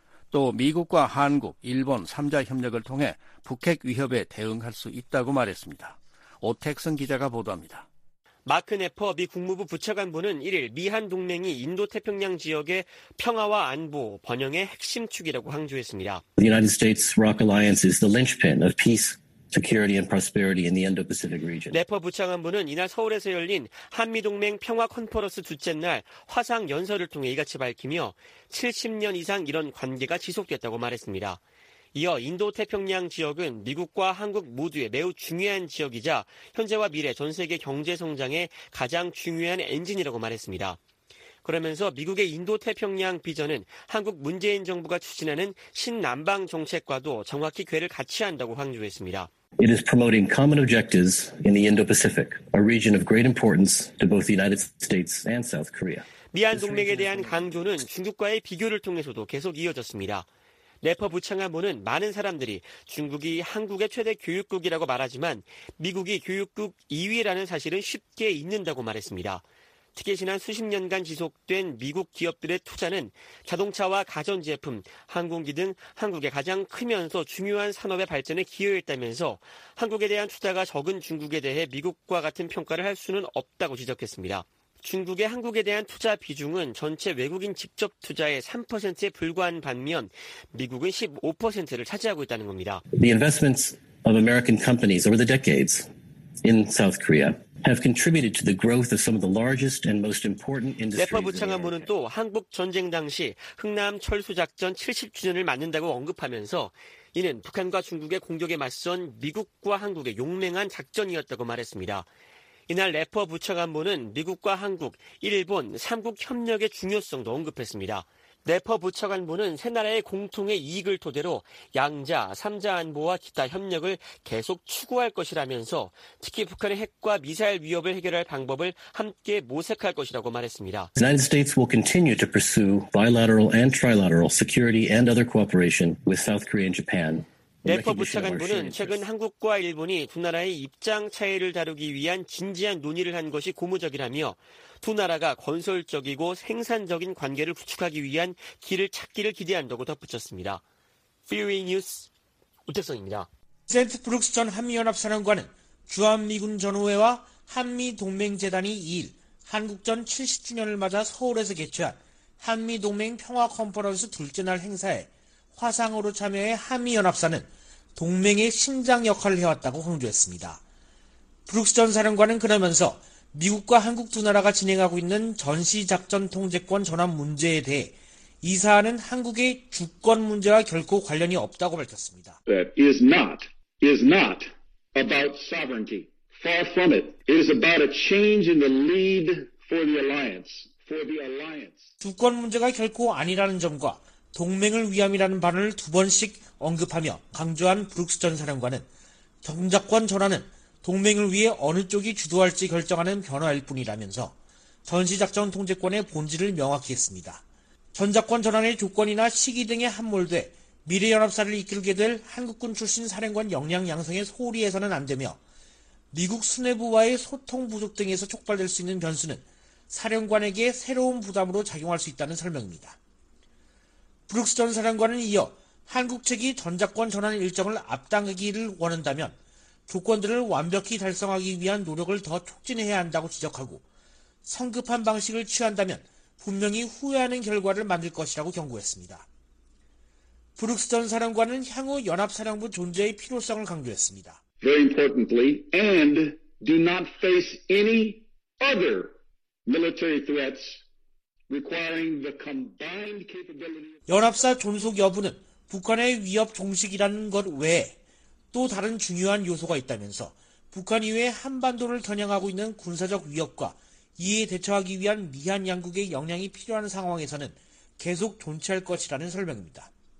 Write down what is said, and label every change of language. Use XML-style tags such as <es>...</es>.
<ko>또 미국과 한국, 일본 3자 협력을 통해 북핵 위협에 대응할 수 있다고 말했습니다. 오택성 기자가 보도합니다. 마크 네퍼 미 국무부 부차관보는 1일 미한 동맹이 인도-태평양 지역의 평화와 안보, 번영의 핵심 축이라고 강조했습니다.</ko> <en>The United States ROC Alliance is the linchpin of peace. Security and prosperity in the Indo-Pacific region.</en> <ko>네퍼 부차관보는 이날 서울에서 열린 한미동맹 평화 컨퍼런스 둘째 날 화상 연설을 통해 이같이 밝히며 70년 이상 이런 관계가 지속됐다고 말했습니다. 이어 인도-태평양 지역은 미국과 한국 모두의 매우 중요한 지역이자 현재와 미래 전 세계 경제 성장의 가장 중요한 엔진이라고 말했습니다. 그러면서 미국의 인도-태평양 비전은 한국 문재인 정부가 추진하는 신남방 정책과도 정확히 궤를 같이 한다고 강조했습니다.</ko> <en>It is promoting common objectives in the Indo-Pacific, a region of great importance to both the United States and South Korea.</en> <ko>미한 동맹에 대한 강조는 중국과의 비교를 통해서도 계속 이어졌습니다. 네퍼 부창하보는 많은 사람들이 중국이 한국의 최대 교육국이라고 말하지만 미국이 교육국 2위라는 사실은 쉽게 잊는다고 말했습니다. 특히 지난 수십 년간 지속된 미국 기업들의 투자는 자동차와 가전제품, 항공기 등 한국의 가장 크면서 중요한 산업의 발전에 기여했다면서 한국에 대한 투자가 적은 중국에 대해 미국과 같은 평가를 할 수는 없다고 지적했습니다. 중국의 한국에 대한 투자 비중은 전체 외국인 직접 투자의 3%에 불과한 반면 미국은 15%를 차지하고 있다는 겁니다.</ko> <en>The investments of American companies over the decades in South Korea have contributed to the growth of some of the largest and most important industries.</en> <ko>네퍼 부창한보는 또 한국 전쟁 당시 흥남 철수 작전 70주년을 맞는다고 언급하면서 이는 북한과 중국의 공격에 맞선 미국과 한국의 용맹한 작전이었다고 말했습니다. 이날 네퍼 부창한보는 미국과 한국, 일본 3국 협력의 중요성도 언급했습니다. 네퍼 부차관보는 세 나라의 공통의 이익을 토대로 양자, 삼자 안보와 기타 협력을 계속 추구할 것이라면서 특히 북한의 핵과 미사일 위협을 해결할 방법을 함께 모색할 것이라고 말했습니다.</ko> <en>The United States will continue to pursue bilateral and trilateral security and other cooperation with South Korea and Japan.</en> <ko>네퍼 부차관보는 최근 한국과 일본이 두 나라의 입장 차이를 다루기 위한 진지한 논의를 한 것이 고무적이라며 두 나라가 건설적이고 생산적인 관계를 구축하기 위한 길을 찾기를 기대한다고 덧붙였습니다. VOA 뉴스 오택성입니다. 젠트 브룩스 전 한미연합사령관은 주한미군 전우회와 한미동맹재단이 2일 한국전 70주년을 맞아 서울에서 개최한 한미동맹 평화컨퍼런스 둘째 날 행사에 화상으로 참여해 한미연합사는 동맹의 심장 역할을 해왔다고 강조했습니다. 브룩스 전 사령관은 그러면서 미국과 한국 두 나라가 진행하고 있는 전시작전통제권 전환 문제에 대해 이 사안은 한국의 주권 문제와 결코 관련이 없다고 밝혔습니다.</ko> <en>That is not about sovereignty. Far from it. It is about a change in the lead for the alliance. For the alliance.</en> <ko>주권 문제가 결코 아니라는 점과 동맹을 위함이라는 반을 두 번씩 언급하며 강조한 브룩스 전 사령관은 정작권 전환은 동맹을 위해 어느 쪽이 주도할지 결정하는 변화일 뿐이라면서 전시작전통제권의 본질을 명확히 했습니다. 전작권 전환의 조건이나 시기 등에 함몰돼 미래연합사를 이끌게 될 한국군 출신 사령관 역량 양성에 소홀히 해서는 안 되며 미국 수뇌부와의 소통 부족 등에서 촉발될 수 있는 변수는 사령관에게 새로운 부담으로 작용할 수 있다는 설명입니다. 브룩스 전 사령관은 이어 한국 측이 전작권 전환 일정을 앞당기기를 원한다면 조건들을 완벽히 달성하기 위한 노력을 더 촉진해야 한다고 지적하고 성급한 방식을 취한다면 분명히 후회하는 결과를 만들 것이라고 경고했습니다. 브룩스 전 사령관은 향후 연합사령부 존재의 필요성을 강조했습니다.</ko> <en>Very importantly, and do not face any other military threats requiring the combined capability.</en> <ko>연합사 존속 여부는 북한의 위협 종식이라는 것 외에 또 다른 중요한 요소가 있다면서 북한 이외 한반도를 겨냥하고 있는 군사적 위협과 이에 대처하기 위한 미한 양국의 역량이 필요한 상황에서는 계속 존재할 것이라는 설명입니다.</ko>